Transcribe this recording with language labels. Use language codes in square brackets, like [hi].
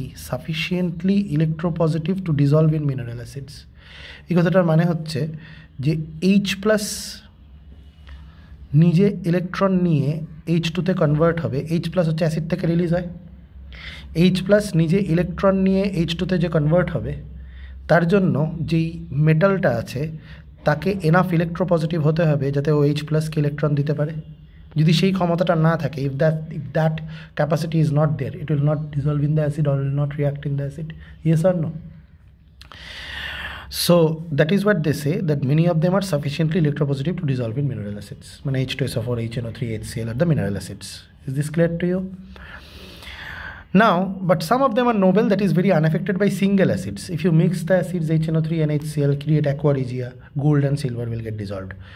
[en] Sufficiently electropositive to dissolve in mineral acids. [bn] এই কথাটার মানে হচ্ছে যে এইচ প্লাস নিজে ইলেকট্রন নিয়ে এইচ টুতে কনভার্ট হবে, এইচ প্লাস হচ্ছে অ্যাসিড থেকে রিলিজ হয়, এইচ প্লাস নিজে ইলেকট্রন নিয়ে এইচ টুতে যে কনভার্ট হবে তার জন্য যেই মেটালটা আছে তাকে এনাফ ইলেকট্রোপজিটিভ হতে হবে যাতে ও এইচ প্লাসকে ইলেকট্রন দিতে পারে। যদি সেই ক্ষমতাটা না থাকে, [en] If that capacity is not there, it will not dissolve in the acid or will not react in the acid, yes or no? So that is what they say, that many of them are sufficiently electropositive to dissolve in mineral acids. When H2SO4, HNO3, HCl are the mineral acids. Is this clear to you? Now, but some of them are noble, that is, very unaffected by single acids. If you mix the acids HNO3 and HCl, create aquarigia, gold and silver will get dissolved.